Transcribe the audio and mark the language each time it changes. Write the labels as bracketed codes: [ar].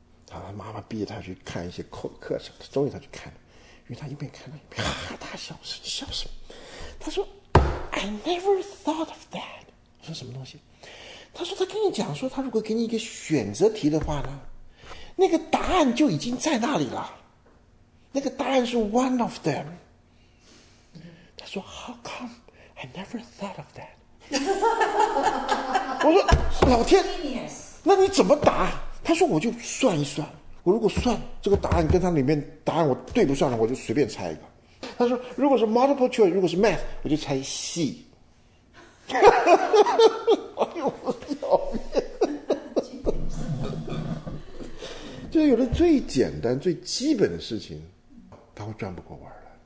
[zh] 他妈妈逼他去看一些课程，终于他去看了，因为他一边看了一边哈哈大笑，说你笑什么？他说 [en] I never thought of that。 [zh] 说什么东西？他说他跟你讲说，他如果给你一个选择题的话呢，那个答案就已经在那里了，那个答案是 [en] one of them。 [zh] 他说 [en] how come I never thought of that。 [zh] 我说老天，那你怎么答？他说我就算一算，我如果算这个答案跟他里面答案我对不上了，我就随便猜一个。他说如果是 multiple choice， 如果是 math， 我就猜 C。哎呦我的就是有的最简单最基本的事情他会转不过弯来。